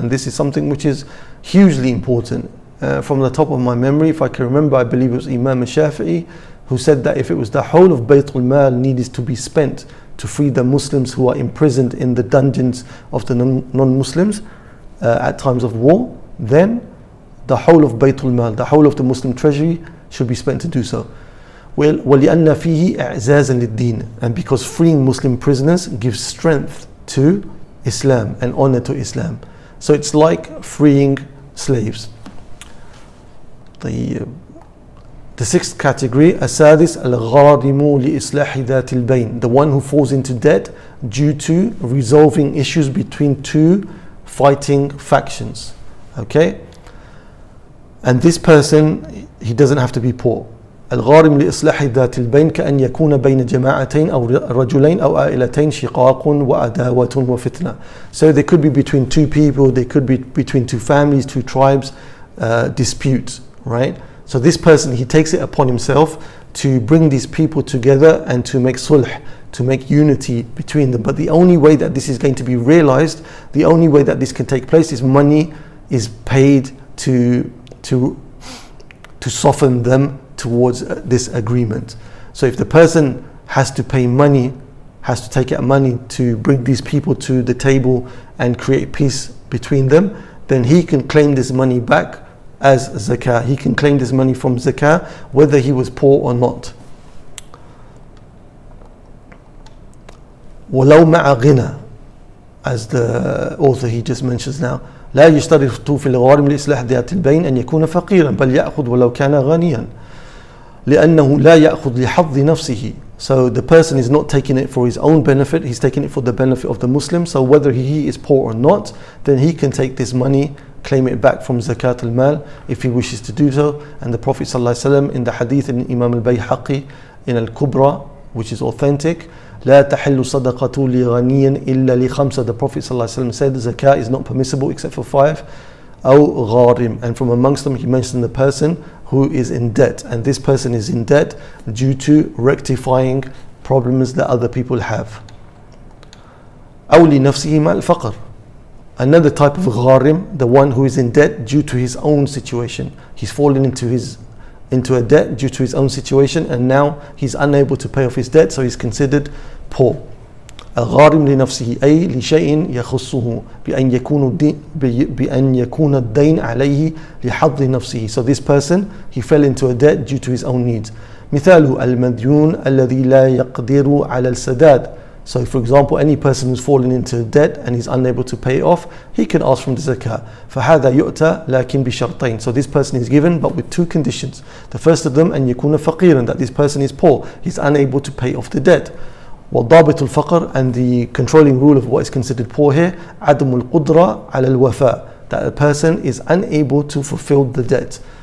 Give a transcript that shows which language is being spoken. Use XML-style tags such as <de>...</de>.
<en>And this is something which is hugely important. From the top of my memory, if I can remember, I believe it was Imam al-Shafi'i who said that if it was the whole of Baytul Mal needed to be spent to free the Muslims who are imprisoned in the dungeons of the non-Muslims at times of war, then the whole of Baytul Mal, the whole of the Muslim treasury should be spent to do so.</en> <ar>Well, وَلِأَنَّ فِيهِ إِعْزَازًا لِلدِّينِ.</ar> <en>And because freeing Muslim prisoners gives strength to Islam and honor to Islam. So it's like freeing slaves. The sixth category,</en> <ar>السادس الغارم لإصلاح ذات البين,</ar> <en>the one who falls into debt due to resolving issues between two fighting factions. Okay, and this person, he doesn't have to be poor.</en> <ar>الغارم لإصلاح ذات البين كأن يكون بين جماعتين أو رجلين أو عائلتين شقاق وعداوة وفتنة.</ar> <en>So they could be between two people, they could be between two families, two tribes, disputes. Right, so this person, he takes it upon himself to bring these people together and to make sulh, to make unity between them. But the only way that this is going to be realized, the only way that this can take place, is money is paid to soften them towards this agreement. So if the person has to pay money, has to take out money to bring these people to the table and create peace between them, then he can claim this money back as zakah. He can claim this money from zakah whether he was poor or not.</en> <ar>وَلَوْ مَعَ غِنَى,</ar> <en>as the author he just mentions now,</en> <ar>لَا يُشْتَرِفْتُ فِي الْغَارِمِ لِإِصْلَحَ ذِيَاتِ الْبَيْنِ أَنْ يَكُونَ فَقِيرًا بَلْ يَأْخُذْ وَلَوْ كَانَ غَنِيًا لِأَنَّهُ لَا يَأْخُذْ لِحَظِّ نَفْسِهِ.</ar> <en>So the person is not taking it for his own benefit, he's taking it for the benefit of the Muslim. So whether he is poor or not, then he can take this money claim it back from Zakat al-Mal if he wishes to do so. And the Prophet ﷺ in the hadith in Imam al-Bayhaqi in al-Kubra, which is authentic,</en> <ar>لا تحل صدقة لغني إلا لخمسة.</ar> <en>The Prophet ﷺ said Zakat is not permissible except for five.</en> <ar>أو غارم.</ar> <en>And from amongst them he mentioned the person who is in debt. And this person is in debt due to rectifying problems that other people have.</en> <ar>أو لنفسه مع الفقر.</ar> <en>Another type of gharim, the one who is in debt due to his own situation. He's fallen into a debt due to his own situation, and now he's unable to pay off his debt, so he's considered poor.</en> <ar>الغارم لنفسه أي لشيء يخصه بأن يكون الدين عليه لحظ نفسه.</ar> <en>So this person, he fell into a debt due to his own needs.</en> <ar>مثاله المديون الذي لا يقدر على السداد.</ar> <en>So for example, any person who's fallen into debt and is unable to pay it off, he can ask from the zakah.</en> <ar>فَهَذَا يُؤْتَى لَكِنْ بِشَرْطَيْنِ.</ar> <en>So this person is given, but with two conditions. The first of them,</en> <ar>أَنْ يَكُونَ فَقِيرًا,</ar> <en>that this person is poor, he's unable to pay off the debt.</en> <ar>وَضَابِطُ الْفَقْرِ,</ar> <en>and the controlling rule of what is considered poor here,</en> <ar>عَدْمُ الْقُدْرَةِ عَلَى الْوَفَاءِ,</ar> <en>that a person is unable to fulfill the debt.</en>